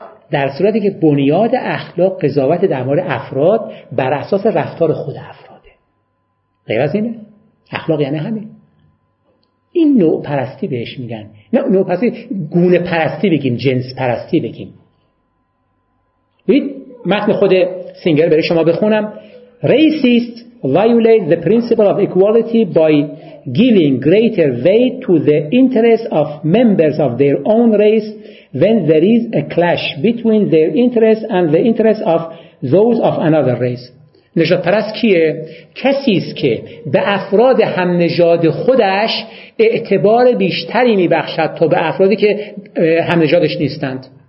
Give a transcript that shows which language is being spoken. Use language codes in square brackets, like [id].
[fa] در صورتی که بنیاد اخلاق قضاوت در مورد افراد بر اساس رفتار خود افراده. غیر از اینه؟ اخلاق یعنی همین. این نوع پرستی بهش میگن. نه نوع پرستی، گونه پرستی بگیم، جنس پرستی بگیم. متن خود سینگر برای شما بخونم. [en] Racist violate the principle of equality by giving greater weight to the interests of members of their own race when there is a clash between their interests and the interests of those of another race. [fa] نژاد پرست کیه؟ کسی است که به افراد هم نژاد خودش اعتبار بیشتری میبخشد تا به افرادی که هم نژادش نیستند.